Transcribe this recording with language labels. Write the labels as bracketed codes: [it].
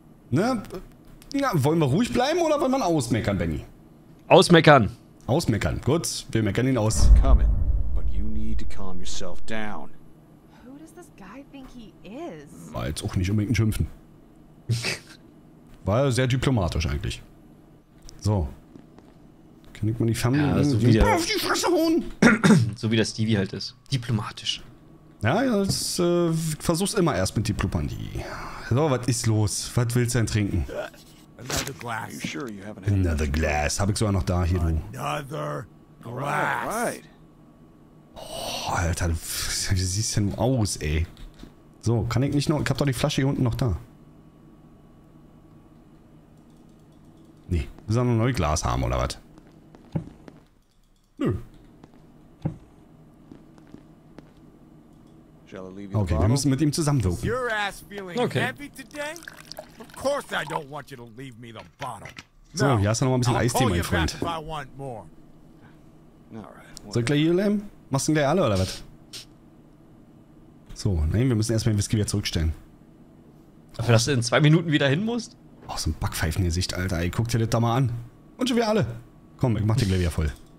[de] Na, wollen wir ruhig bleiben oder wollen wir ausmeckern, Benny? Ausmeckern. Ausmeckern. Gut, wir meckern ihn aus. [en] Coming, but you need to calm yourself down. Who does this guy think he is? [de] War jetzt auch nicht unbedingt schimpfen. War sehr diplomatisch eigentlich. So. Kann ich mal die Familie ja, so wieder auf die Fresse hauen? So wie der Stevie halt ist. Diplomatisch. Ja, das, versuch's immer erst mit Diplomatie. So, was ist los? Was willst du denn trinken? [en] Another glass. Are you sure you haven't had another glass? [de] Hab ich sogar noch da hier. [en] Another glass. Right. [de] Oh, Alter, wie siehst du denn aus, ey? So, kann ich nicht noch. Ich hab doch die Flasche hier unten noch da. Nee, wir sollen ein neues Glas haben, oder was? Nö. Okay, wir müssen mit ihm zusammenwirken. Okay. [en] Of course I don't want you to leave me the bottle. [de] So, hier hast du noch ein bisschen Eistee, mein Freund. Soll ich gleich hier bleiben? Machst du denn gleich alle, oder was? So, nein, wir müssen erstmal den Whisky wieder zurückstellen. Dafür, dass du in 2 Minuten wieder hin musst? Oh, so ein Backpfeifengesicht, Alter. Ey, guck dir das da mal an. Und schon wieder alle. Komm, ich mach den gleich wieder voll.